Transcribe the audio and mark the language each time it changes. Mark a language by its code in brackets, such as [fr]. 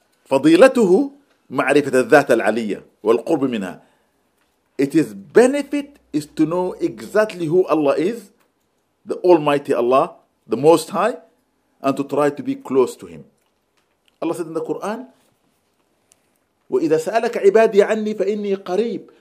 [ar] فضيلته معرفة الذات العلية والقرب منها. [en] It is benefit is to know exactly who Allah is, the Almighty Allah, the Most High, and to try to be close to Him. Allah said in the Quran, [ar] وإذا سألك عبادي عني فإني قريب.